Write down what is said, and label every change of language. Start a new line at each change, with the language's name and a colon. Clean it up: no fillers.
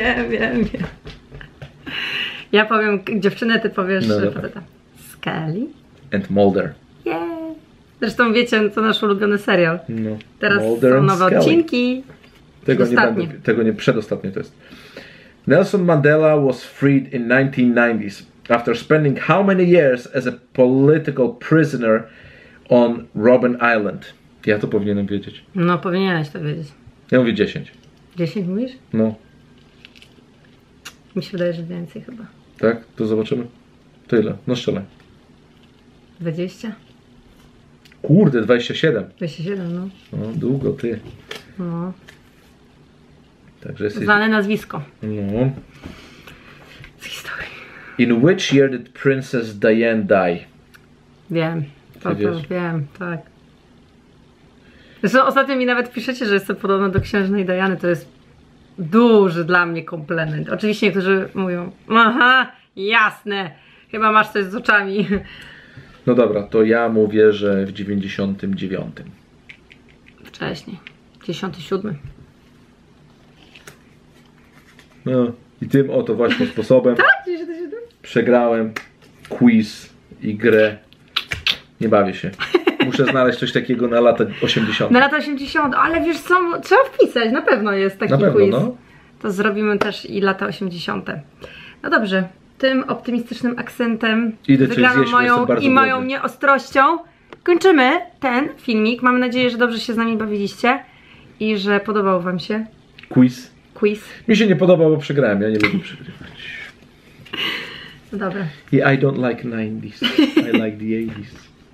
Polish: Wiem. Ja powiem dziewczynę, ty powiesz, no, faceta. Scully.
English: And Mulder. Yeah.
Polish: Zresztą wiecie, co nasz ulubiony serial. No. Teraz Mulder są nowe odcinki. Tego nie będę, przedostatnie to jest.
English: Nelson Mandela was freed in 1990s after spending how many years as a political prisoner on Robben Island.
Polish: Ja to powinienem wiedzieć. No powinieneś to wiedzieć. Ja mówię 10. 10 mówisz? No. Mi się wydaje, że więcej chyba. Tak? To zobaczymy. To ile? No strzelaj. 20? Kurde, 27. 27, no. No, długo ty. No. Także jesteś... Znane nazwisko. No. Z historii.
English: In which year did Princess Diane die?
Polish: Wiem. To wiesz? Wiem, tak. Zresztą ostatnio mi nawet piszecie, że jestem podobna do księżnej Diany, to jest duży dla mnie komplement. Oczywiście niektórzy mówią, aha, jasne, chyba masz coś z oczami. No dobra, to ja mówię, że w 99. Wcześniej, 97. No i tym oto właśnie sposobem przegrałem quiz i grę. Nie bawię się. Muszę znaleźć coś takiego na lata 80. Na lata 80, ale wiesz co, trzeba wpisać, na pewno jest taki na pewno, quiz. No. To zrobimy też i lata 80. No dobrze, tym optymistycznym akcentem, wygraną moją nieostrością, kończymy ten filmik. Mam nadzieję, że dobrze się z nami bawiliście i że podobał wam się quiz. Mi się nie podobał, bo przegrałem, ja nie lubię przegrywać. No dobra.
English: Yeah, I don't like 90s, I like the 80s.